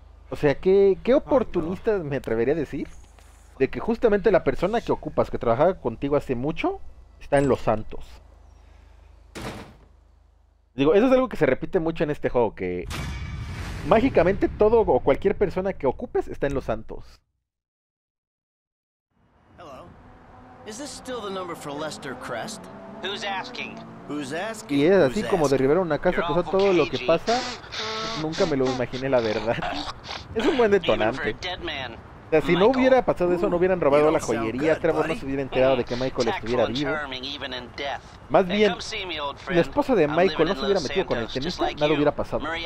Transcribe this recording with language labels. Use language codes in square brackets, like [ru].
[es] O sea, ¿qué oportunista me atrevería a decir? De que justamente la persona que ocupas, que trabajaba contigo hace mucho, está en Los Santos. Digo, eso es algo que se repite mucho en este juego, que mágicamente todo o cualquier persona que ocupes está en los santos. [en] Hello. Is this still the number for Lester Crest? Who's asking? Who's asking? [es] Y es así como derribar una casa, cosa todo lo que pasa. Nunca me lo imaginé, la verdad. Es un buen detonante. O sea, si Michael, no hubiera pasado eso, no hubieran robado la joyería, Trevor no se hubiera enterado de que Michael estuviera vivo. Más bien, la esposa de Michael no se hubiera metido con el tenista, nada hubiera pasado.